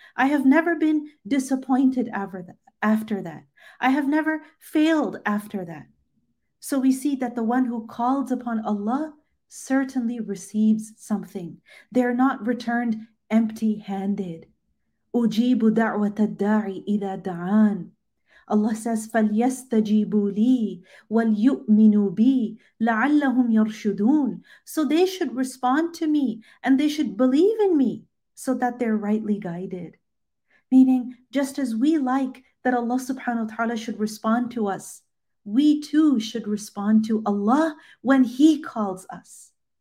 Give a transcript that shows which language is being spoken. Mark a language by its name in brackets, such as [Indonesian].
[English] I have never been disappointed after that. I have never failed after that. So we see that the one who calls upon Allah certainly receives something. They're not returned empty-handed. [Arabic] أُجِيبُ دَعْوَةَ الدَّاعِ إِذَا دَعَانِ. [English] Allah says, [Arabic] فَلْيَسْتَجِيبُوا لِي وَلْيُؤْمِنُوا بِي لَعَلَّهُمْ يَرْشُدُونَ. [English] So they should respond to me and they should believe in me so that they're rightly guided. Meaning, just as we like that Allah subhanahu wa ta'ala should respond to us, we too should respond to Allah when He calls us.